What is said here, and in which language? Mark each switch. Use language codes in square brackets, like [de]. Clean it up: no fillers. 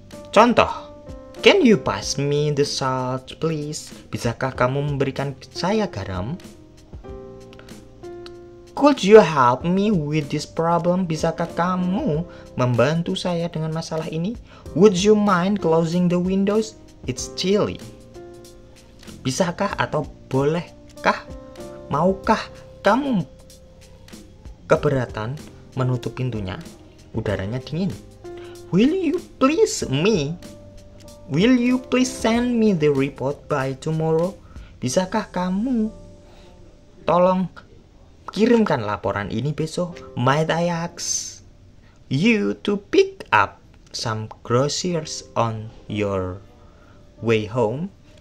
[en] Contoh, can you pass me the salt, please? [id] Bisakah kamu memberikan saya garam? [en] Could you help me with this problem? [id] Bisakah kamu membantu saya dengan masalah ini? [en] Would you mind closing the windows? It's chilly. [id] Bisakah atau bolehkah, maukah kamu keberatan menutup pintunya? Udaranya dingin. [en] Will you please send me the report by tomorrow? [id] Bisakah kamu tolong kirimkan laporan ini besok? [en] Might I ask you to pick up some groceries on your way home?